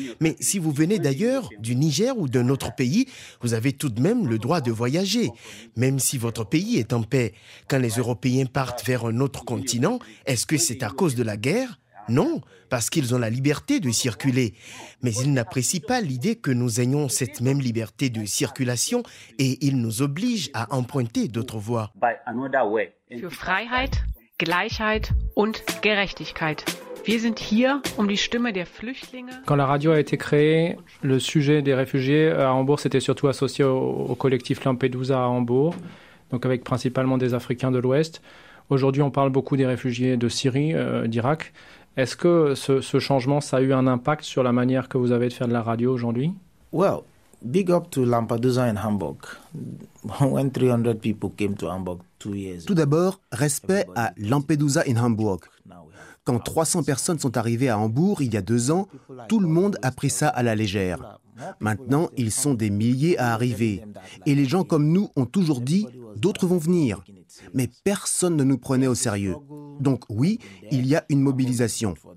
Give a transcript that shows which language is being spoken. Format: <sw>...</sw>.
<fr>Mais si vous venez d'ailleurs, du Niger ou d'un autre pays, vous avez tout de même le droit de voyager, même si votre pays est en paix. Quand les Européens partent vers un autre continent, est-ce que c'est à cause de la guerre ? Non, parce qu'ils ont la liberté de circuler. Mais ils n'apprécient pas l'idée que nous ayons cette même liberté de circulation et ils nous obligent à emprunter d'autres voies.</fr> <de>Für Freiheit, Gleichheit und Gerechtigkeit. Wir sind hier, um die Stimme der Flüchtlinge.</de> <fr>Quand la radio a été créée, le sujet des réfugiés à Hambourg s'était surtout associé au collectif Lampedusa à Hambourg, donc avec principalement des Africains de l'Ouest. Aujourd'hui, on parle beaucoup des réfugiés de Syrie, d'Irak. Est-ce que ce changement, ça a eu un impact sur la manière que vous avez de faire de la radio aujourd'hui?</fr> <en>Well, big up to Lampedusa in Hamburg. When 300 people came to Hamburg 2 years.</en> <fr>Tout d'abord, respect à Lampedusa in Hamburg. Quand 300 personnes sont arrivées à Hambourg il y a 2 ans, tout le monde a pris ça à la légère. Maintenant, ils sont des milliers à arriver. Et les gens comme nous ont toujours dit, d'autres vont venir. Mais personne ne nous prenait au sérieux. Donc oui, il y a une mobilisation.</fr>